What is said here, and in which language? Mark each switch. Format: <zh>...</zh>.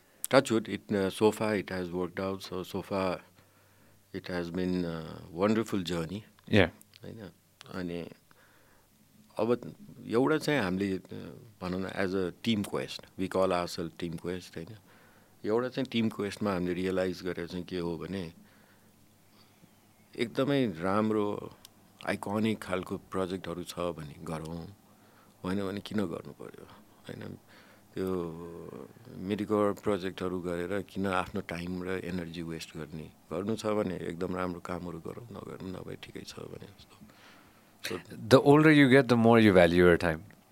<en>Touch wood, so far it has worked out. So far it has been a wonderful journey. Yeah.</en> <ne>Haina ani अब एउटा चाहिँ हामीले भनौँ न</ne> <en>as a team quest</en> <ne>we call our self team quest होइन एउटा चाहिँ team क्वेस्टमा हामीले रियलाइज गरेर चाहिँ के हो भने एकदमै राम्रो आइकोनिक खालको प्रोजेक्टहरू छ भने गरौँ होइन भने किन गर्नु पऱ्यो होइन त्यो मेडिकल प्रोजेक्टहरू गरेर किन आफ्नो टाइम र एनर्जी वेस्ट गर्ने गर्नु छ भने एकदम राम्रो कामहरू गरौँ नगरौँ नभए ठिकै छ भने जस्तो</ne> <en>So, the older you get, the more you value your time.</en>